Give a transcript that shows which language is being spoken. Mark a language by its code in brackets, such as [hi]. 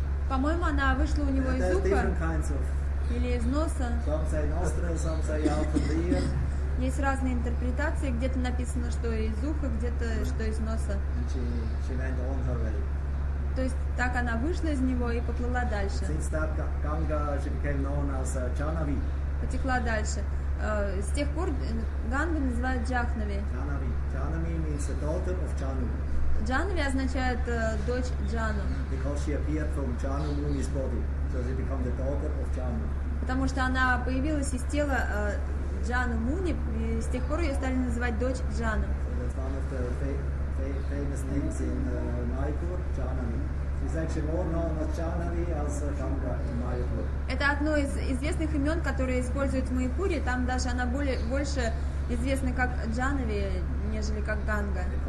[ru] По-моему, она вышла у него из уха. [en] Kinds of... [ru] Или из носа. [en] Some say nostril, some say out of the ear. [ru] Есть разные интерпретации. Где-то написано, что из уха, где-то, что из носа. [en] She went on her way. [ru] То есть так она вышла из него и поплыла дальше. [en] Since that, Ganga, she became known as Janavi. [ru] Потекла дальше. С тех пор Гангу называют Джахнави. [en] Джанави. Джанави means the daughter of Джану. [ru] Джанави означает дочь Джану. [en] Because she appeared from Джану Муни's body, so she became the daughter of Джану. [ru] Потому что она появилась из тела Джану Муни, и с тех пор ее стали называть дочь Джану. [en] So that's one of the famous names in Майпур, Джанави. It's actually more known as Janavi as Ganga in Mayapur. [ru] Это одно из известных имен, которые используют в Майпуре. Там даже она более больше известны как джанави, нежели как ганга.